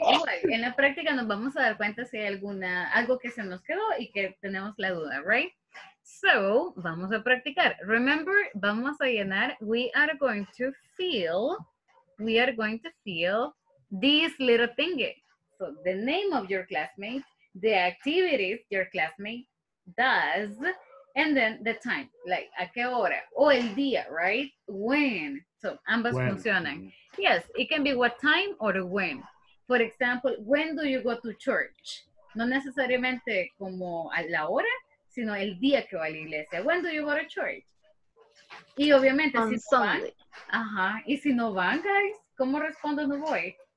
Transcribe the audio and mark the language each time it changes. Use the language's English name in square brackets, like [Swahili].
[Spanish] Igual, en la práctica nos vamos a dar cuenta si hay alguna, algo que se nos quedó y que tenemos la duda, right? So, vamos a practicar. Remember, vamos a llenar. [English] We are going to fill this little thing. So, the name of your classmate, the activities your classmate does, and then the time. [Spanish] Like, a qué hora? O el día, right? When. So, ambas when. Funcionan. [English] Yes, it can be what time or when. For example, when do you go to church? [Spanish] No necesariamente como a la hora, sino el día que va a la iglesia. [English] When do you go to church? [Spanish] Y obviamente, [English] on [Spanish] si [English] Sunday. [Spanish] Van. Ajá. Y si no van, guys, ¿cómo respondo no voy?